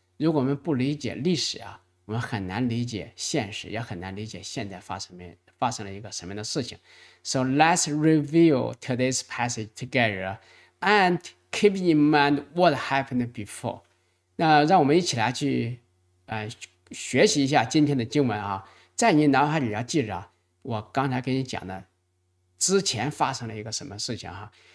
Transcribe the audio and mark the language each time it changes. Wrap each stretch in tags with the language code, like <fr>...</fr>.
<zh>如果我们不理解历史啊，我们很难理解现实，也很难理解现在发生了一个什么样的事情。</zh> <en>So let's review today's passage together and keep in mind what happened before.</en> <zh>那让我们一起来去、学习一下今天的经文啊，在你脑海里要记着、啊、我刚才跟你讲的之前发生了一个什么事情啊。</zh>